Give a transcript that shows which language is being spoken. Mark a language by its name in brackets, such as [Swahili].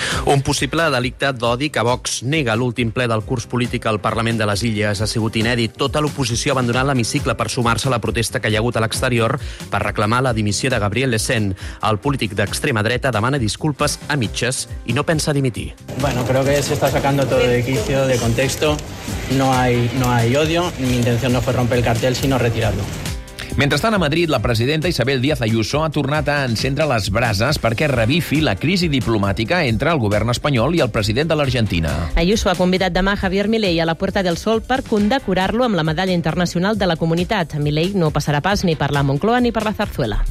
[Catalan] Un possible delicte d'odi que Vox nega. L'últim ple del curs polític al Parlament de les Illes ha sigut inèdit. Tota l'oposició ha abandonat l'hemicicle per sumar-se a la protesta que hi ha hagut a l'exterior per reclamar la dimissió de Gabriel Lecén. El polític d'extrema dreta demana disculpes a mitges i no pensa dimitir. [Spanish] Bueno, creo que si estás sacando todo de quicio, de contexto, no hay odio, mi intención no fue romper el cartel, sino retirarlo. [Catalan] Mentrestant, a Madrid, la presidenta Isabel Díaz Ayuso ha tornat a encendre les brases perquè revifi la crisi diplomàtica entre el govern espanyol i el president de l'Argentina. Ayuso ha convidat demà Javier Milei a la Puerta del Sol per condecorar-lo amb la Medalla Internacional de la Comunitat. Milei no passarà pas ni per la Moncloa ni per la Zarzuela.